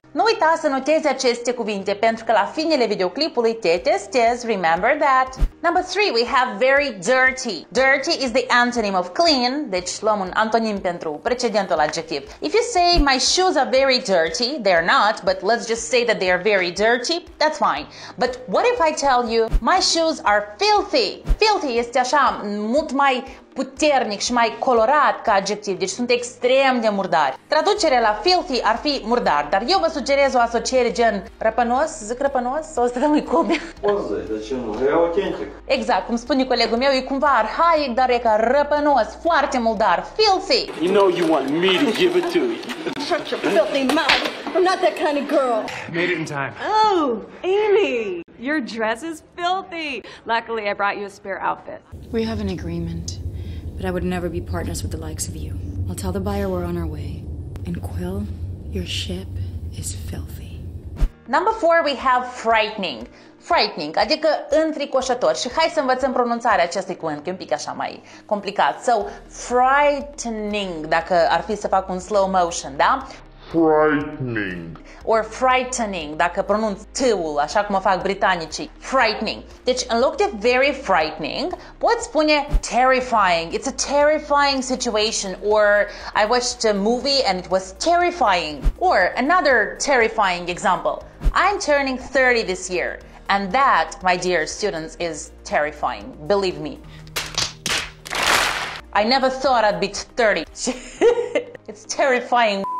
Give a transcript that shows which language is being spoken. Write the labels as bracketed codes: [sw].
[ro] Nu uita să notezi aceste cuvinte, pentru că la finele videoclipului te testez, [en] remember that. Number 3, we have very dirty. Dirty is the antonym of clean, [ro] deci luăm un antonim pentru precedentul adjectiv. [en] If you say, my shoes are very dirty, they're not, but let's just say that they are very dirty, that's fine. But what if I tell you, my shoes are filthy? [ro] Filthy este așa, mult mai puternic și mai colorat ca adjectiv, deci sunt extrem de murdari. Traducerea la filthy ar fi murdar, dar eu vă sugerez o asociere gen răpănos, zic răpănos, o să dăm-i cum. Poți, de ce nu? E autentic. Exact, cum spune colegul meu, e cumva arhaic, dar e ca răpănos, foarte murdar, filthy. [en] You know you want me to give it to you. Shut your filthy mouth, I'm not that kind of girl. Made it in time. Oh, Amy, your dress is filthy. Luckily, I brought you a spare outfit. We have an agreement. But I would never be partners with the likes of you. I'll tell the buyer we're on our way. And Quill, your ship is filthy. Number 4, we have frightening. [ro] Frightening, adică înfricoșător. Și hai să învățăm pronunțarea acestui cuvânt, că e un pic așa mai complicat. So, frightening, dacă ar fi să fac un slow motion, da? [en] Frightening. [ro] Or frightening, dacă pronunț T-ul, așa cum o fac britanicii. Frightening. Deci, în loc de very frightening, poți spune terrifying. [en] It's a terrifying situation. Or, I watched a movie and it was terrifying. Or, another terrifying example. I'm turning 30 this year. And that, my dear students, is terrifying. Believe me. I never thought I'd be 30. It's terrifying.